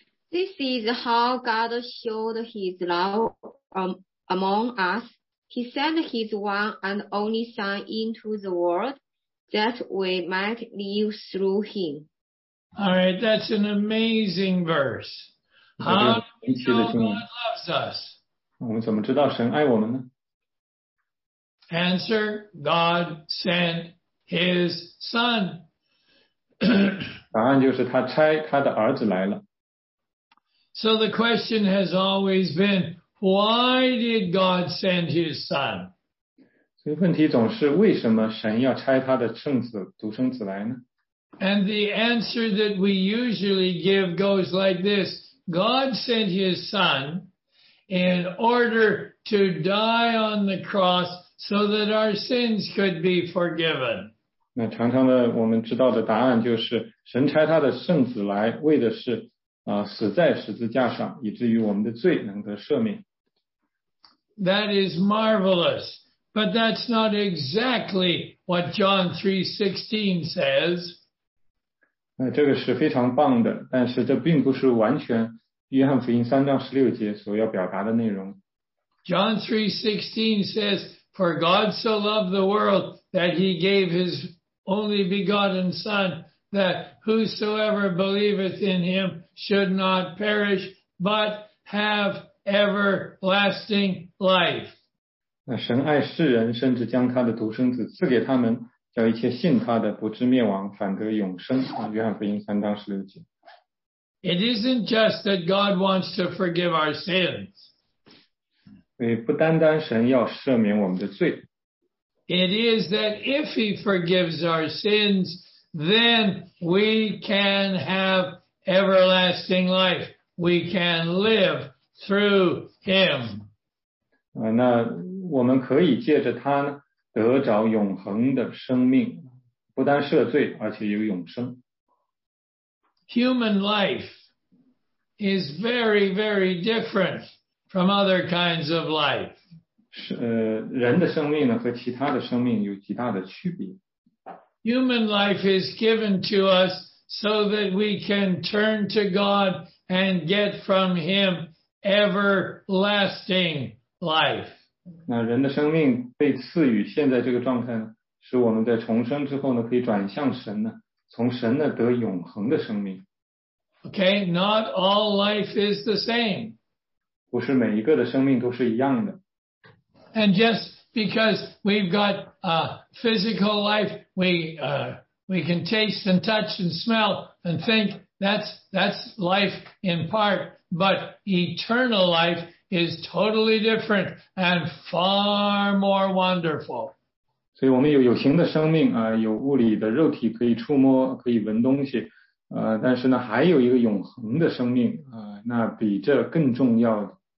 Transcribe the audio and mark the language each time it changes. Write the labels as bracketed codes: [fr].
[en] This is how God showed his love among us. He sent his one and only son into the world that we might live through him. All right, that's an amazing verse. How do we know God loves us? [zh] 我们怎么知道神爱我们呢? [en] Answer, God sent his son. [zh] 答案就是他差他的儿子来了。 [en] So the question has always been, why did God send his son? [zh] 所以问题总是为什么神要差他的圣子独生子来呢？ [en] And the answer that we usually give goes like this. God sent his son in order to die on the cross so that our sins could be forgiven. [zh] 那常常的我们知道的答案就是神差他的圣子来为的是死在十字架上，以至于我们的罪能得赦免。 [en] That is marvelous, but that's not exactly what John 3:16 says. [zh] 这个是非常棒的，但是这并不是完全约翰福音三章十六节所要表达的内容。 [en] John 3:16 says, "For God so loved the world that he gave his only begotten Son." That whosoever believeth in him should not perish, but have everlasting life. [zh] 那神爱世人，甚至将他的独生子赐给他们，叫一切信他的不至灭亡，反得永生。约翰福音三章十六节。 [en] It isn't just that God wants to forgive our sins. [zh] 所以不单单神要赦免我们的罪。 [en] It is that if he forgives our sins, then we can have everlasting life. We can live through him. [zh] 那我们可以借着他得着永恒的生命，不单赦罪，而且有永生。 [en] Human life is very, very different from other kinds of life. [zh] 人的生命呢，和其他的生命有极大的区别。 [en] Human life is given to us so that we can turn to God and get from him everlasting life. [zh] 那人的生命被赐予现在这个状态呢，使我们在重生之后呢，可以转向神呢，从神呢得永恒的生命。 [en] Okay, not all life is the same. [zh] 不是每一个的生命都是一样的。 [en] And just because we've got a physical life, we can taste and touch and smell and think that's life in part, but eternal life is totally different and far more wonderful. [zh] 所以我们有形的生命啊，有物理的肉体可以触摸，可以闻东西，但是呢，还有一个永恒的生命啊，那比这更重要的。